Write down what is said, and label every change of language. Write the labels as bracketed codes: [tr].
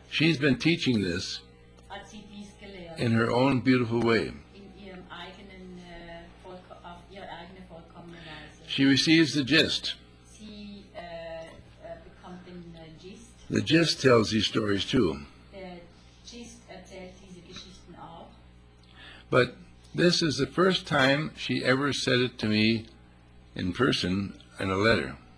[en] she's been teaching this [de] hat sie dies gelehrt, [en] in her own beautiful way. [de] In ihrem eigenen, auf ihre eigene vollkommene Weise. [en] She receives the gist. [de] Sie, bekommt den, gist. [en] The gist tells these stories too. [de] Der gist erzählt diese Geschichten auch. [en] But this is the first time she ever said it to me in person in a letter.